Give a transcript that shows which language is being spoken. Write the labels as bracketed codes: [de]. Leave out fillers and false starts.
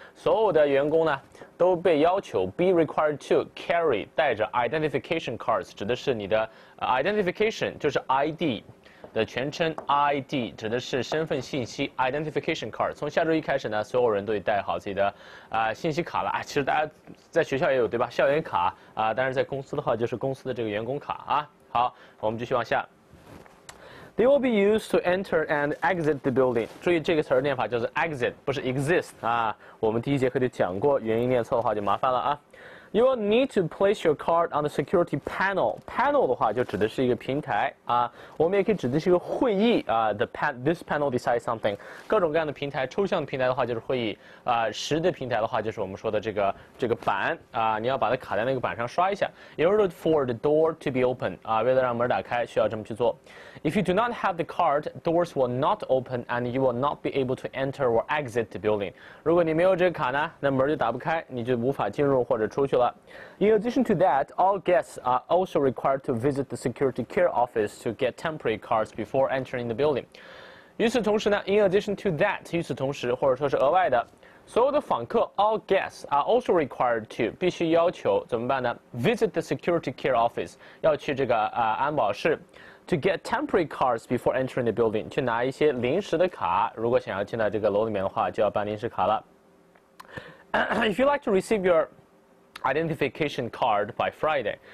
[zh] 所有的员工呢都被要求 [en] be required to carry [zh] 带着 identification cards， 指的是你的、identification 就是 ID 的全称 ，ID 指的是身份信息 identification card。从下周一开始呢，所有人都得带好自己的信息卡了。其实大家。在学校也有对吧？校园卡啊、但是在公司的话就是公司的这个员工卡啊。好，我们继续往下。 [en] They will be used to enter and exit the building。 [zh] 注意这个词儿念法叫做 exit， 不是 exist 啊。我们第一节课就讲过，元音念错的话就麻烦了啊。 [en] You will need to place your card on the security panel。 [zh] Panel 的话就指的是一个平台啊，我们也可以指的是一个会议啊。 [en] This panel decides something。 [zh] 各种各样的平台，抽象的平台的话就是会议啊，实的平台的话就是我们说的这个板啊，你要把它卡在那个板上刷一下。 [en] In order for the door to be open， [zh] 啊，为了让门打开，需要这么去做。 [en] If you do not have the card， doors will not open and you will not be able to enter or exit the building。 [zh] 如果你没有这个卡呢，那门就打不开，你就无法进入或者出去。 [en] In addition to that, all guests are also required to visit the security care office to get temporary cards before entering the building. [zh] 与此同时呢 ，in addition to that， 与此同时或者说是额外的，所有的访客 ， [en] all guests are also required to [zh] 必须要求怎么办呢 ？ [en] Visit the security care office， [zh] 要去这个安保室 ， [en] to get temporary cards before entering the building， [zh] 去拿一些临时的卡。如果想要进到这个楼里面的话，就要办临时卡了。 [en] If you'd like to receive your Identification card by Friday.